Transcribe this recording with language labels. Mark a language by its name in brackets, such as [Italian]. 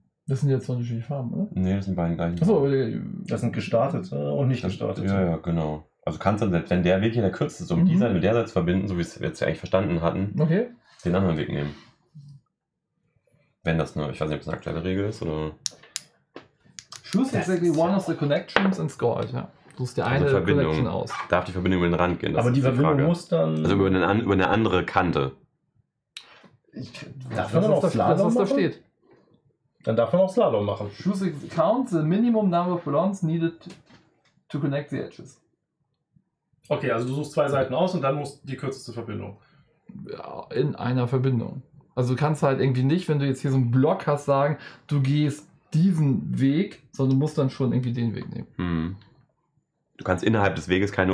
[German] Das sind jetzt zwei unterschiedliche Farben, oder? Nee, das sind beide gleich. Achso, das sind gestartet und nicht gestartet. Ja, ja, genau. Also kannst du, selbst wenn der Weg hier der kürzeste ist, um die Seite mit der Seite zu verbinden, so wie wir es jetzt eigentlich verstanden hatten, den anderen Weg nehmen. Wenn das nur, ich weiß nicht, ob das eine aktuelle Regel ist, oder? [English] Choose exactly one of the connections and score it, ja. [German] Du suchst die eine also Verbindung, Connection aus. Darf die Verbindung über den Rand gehen? Das aber die Verbindung Frage. Muss dann. Also über eine andere Kante. Darf man auch Slalom machen? Was da steht. Dann darf man auch Slalom machen. [English] Choose count the minimum number of balloons needed to connect the edges. [German] Okay, also du suchst 2 Seiten aus und dann musst die kürzeste Verbindung. Ja, in einer Verbindung. Also du kannst halt irgendwie nicht, wenn du jetzt hier so einen Block hast, sagen, du gehst diesen Weg, sondern du musst dann schon irgendwie den Weg nehmen. Hm. Du kannst innerhalb des Weges keine